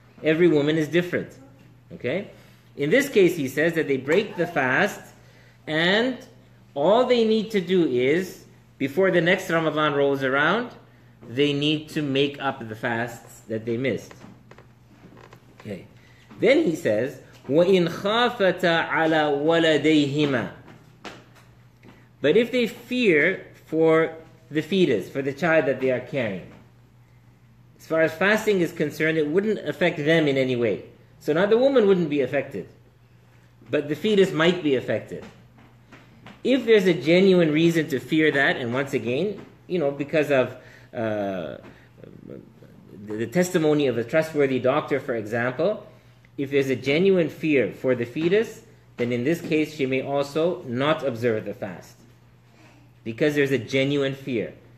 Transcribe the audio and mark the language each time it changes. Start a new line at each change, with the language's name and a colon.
English: Every woman is different. Okay? In this case, he says that they break the fast, and all they need to do is, before the next Ramadan rolls around, they need to make up the fasts that they missed. Okay. Then he says,
Arabic: وَإِنْ خَافَتَ عَلَى وَلَدَيْهِمَا.
English: But if they fear for the fetus, for the child that they are carrying, as far as fasting is concerned, it wouldn't affect them in any way. So now the woman wouldn't be affected, but the fetus might be affected. If there's a genuine reason to fear that, and once again, you know, because of the testimony of a trustworthy doctor, for example, if there's a genuine fear for the fetus, then in this case she may also not observe the fast, because there's a genuine fear.